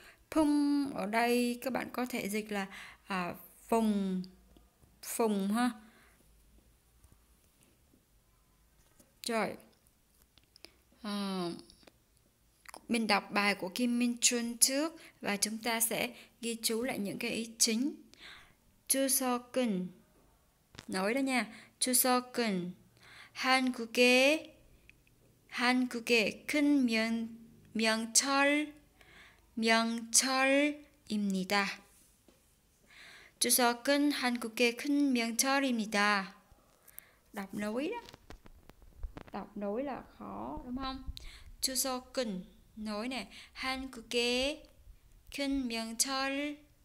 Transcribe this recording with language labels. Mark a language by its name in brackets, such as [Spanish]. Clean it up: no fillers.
[Vietnamese] Phung ở đây các bạn có thể dịch là Phùng. Phùng ha. Rồi. Mình đọc bài của Kim Min Chun trước và chúng ta sẽ ghi chú lại những cái ý chính. Chu So Kun. Nói đó nha. [Korean] 추석은 한국의 큰 명절입니다. 추석은 한국의 큰 명절입니다. [Vietnamese] Đọc nối đó. Đọc nối là khó đúng không? [Korean] 추석은 [Vietnamese] nối này, [Korean] 한국의 큰 명절입니다.